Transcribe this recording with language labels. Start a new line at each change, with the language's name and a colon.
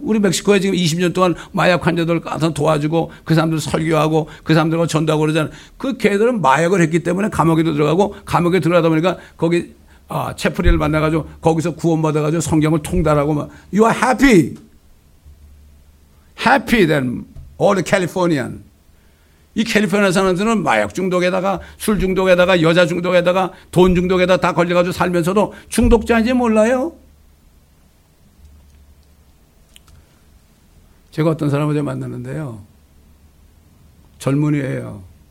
Korean: 우리 멕시코에 지금 20년 동안 마약 환자들 가서 도와주고 그 사람들 설교하고 그 사람들과 전도하고 그러잖아요. 그 걔들은 마약을 했기 때문에 감옥에도 들어가고 감옥에 들어가다 보니까 거기 아 체프리를 만나가지고 거기서 구원 받아가지고 성경을 통달하고 막
English: You are happy. Happy than all the Californian.
Korean: 이 캘리포니아 사람들은 마약 중독에다가 술 중독에다가 여자 중독에다가 돈 중독에다 다 걸려가지고 살면서도 중독자인지 몰라요. 제가 어떤 사람을 만났는데요. 젊은이에요.